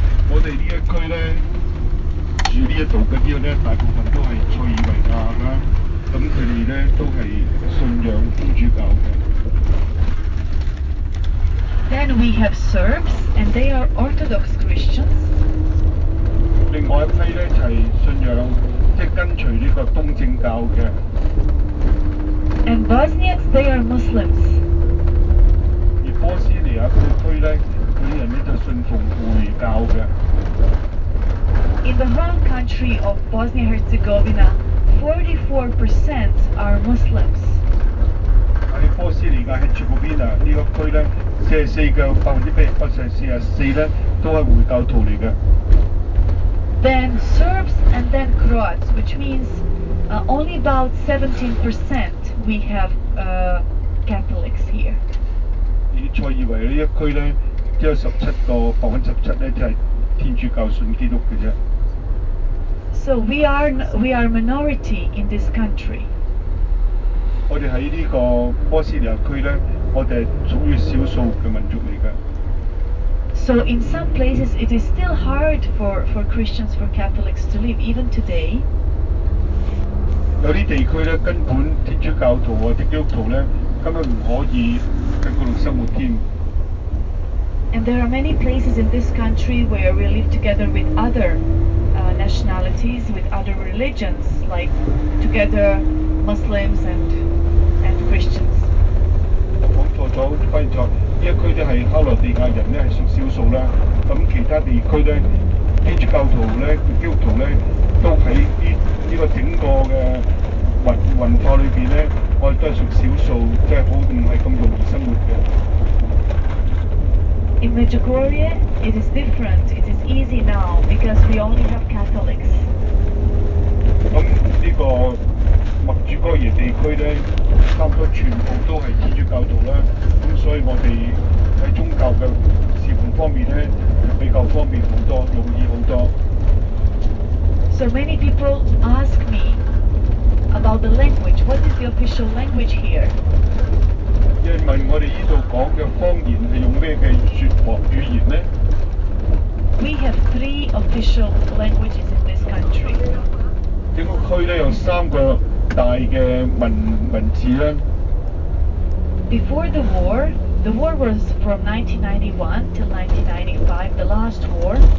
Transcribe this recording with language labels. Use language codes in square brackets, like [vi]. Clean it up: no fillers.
[yue] 我哋呢一区咧，住呢一度嗰啲咧，大部分都系塞尔维亚啦，咁佢哋咧都系信仰天主教嘅。 [en] Then we have Serbs, and they are Orthodox Christians. [yue] 另外一批咧就系信仰。即係跟隨呢個東正教嘅。 [en] And Bosnians, they are Muslims. [yue] 而波斯尼亞嗰區咧，佢人咧就信奉回教嘅。 [en] In the whole country of Bosnia Herzegovina, 44% are Muslims. [yue] 喺波斯尼亞喺Herzegovina呢個區咧，44% 咧都係回教徒嚟嘅。 [en] Then Serbs and then Croats, which means only about 17% we have Catholics here. [yue] 而塞爾維呢一區咧，只有17%就係天主教信基督嘅啫。 [en] So we are minority in this country. [yue] 我哋喺呢個波斯尼亞區咧，我哋屬於少數嘅民族嚟嘅。 [en] So in some places it is still hard for Christians, for Catholics to live, even today. [yue] 有些地區呢根本天主教徒或者基督徒呢根本不可以在那裡生活添。 [en] And there are many places in this country where we live together with other nationalities, with other religions, like together Muslims and Christians. [yue] 我错了呢一區咧係克羅地亞人咧係屬少數啦，咁其他地區咧天主教徒咧、基督徒咧都喺呢個整個嘅文化裏邊咧，我哋都係屬少數，即係好唔係咁容易生活嘅。 [en] In Medjugorje, it is different. It is easy now because we only have Catholics. [yue] 咁呢個墨竹哥爾地區咧，差唔多全部都係天主教徒啦。所以我哋喺宗教嘅事奉方面咧，比較方便好多，容易好多。 [en] So many people ask me about the language. What is the official language here? [yue] 有人問我哋依度講嘅方言係用咩嘅語言咧 [en] ？We have three official languages in this country. [yue] 整個區咧有三個大嘅文字咧。 [en] Before the war was from 1991 till 1995, the last war.